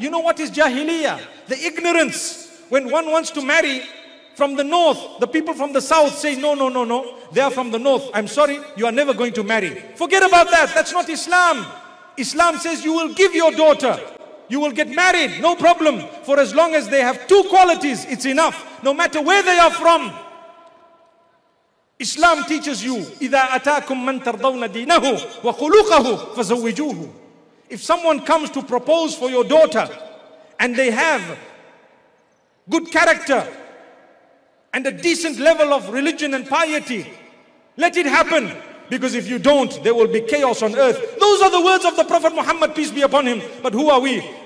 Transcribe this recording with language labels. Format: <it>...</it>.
<en>You know what is jahiliya? The ignorance. When one wants to marry from the north, the people from the south say, no. They are from the north. I'm sorry, you are never going to marry. Forget about that. That's not Islam. Islam says you will give your daughter. You will get married. No problem. For as long as they have two qualities, it's enough. No matter where they are from. Islam teaches you,</en> <ar>إِذَا أَتَاكُمْ مَنْ تَرْضَوْنَ دِينَهُ وَخُلُوقَهُ فَزَوِّجُوهُ.</ar> <en>If someone comes to propose for your daughter and they have good character and a decent level of religion and piety, let it happen. Because if you don't, there will be chaos on earth. Those are the words of the Prophet Muhammad, peace be upon him. But who are we?</en>